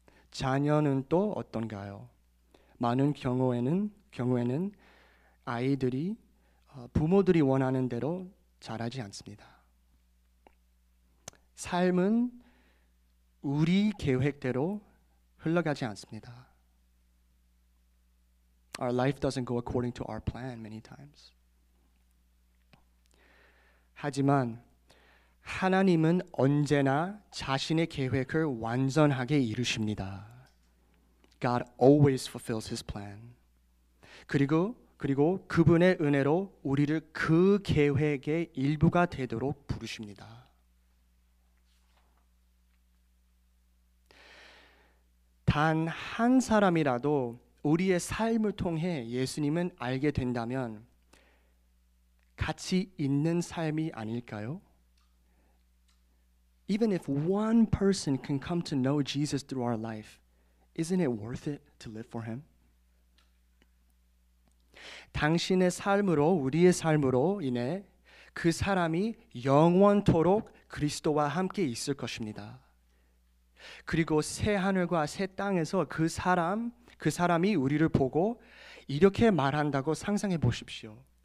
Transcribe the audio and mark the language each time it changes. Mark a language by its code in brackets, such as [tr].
[ko] 자녀는 또 어떤가요? 많은 경우에는 아이들이 부모들이 원하는 대로 자라지 않습니다. 삶은 우리 계획대로 흘러가지 않습니다. [en] Our life doesn't go according to our plan many times. [ko] 하지만 하나님은 언제나 자신의 계획을 완전하게 이루십니다. [en] God always fulfills his plan. [ko] 그리고 그분의 은혜로 우리를 그 계획의 일부가 되도록 부르십니다. 단 한 사람이라도 우리의 삶을 통해 예수님은 알게 된다면 가치 있는 삶이 아닐까요? [en] Even if one person can come to know Jesus through our life, isn't it worth it to live for him? [ko] 당신의 삶으로 우리의 삶으로 인해 그 사람이 영원토록 그리스도와 함께 있을 것입니다. 그리고 새 하늘과 새 땅에서 그 사람이 우리를 보고 이렇게 말한다고 상상해 보십시오.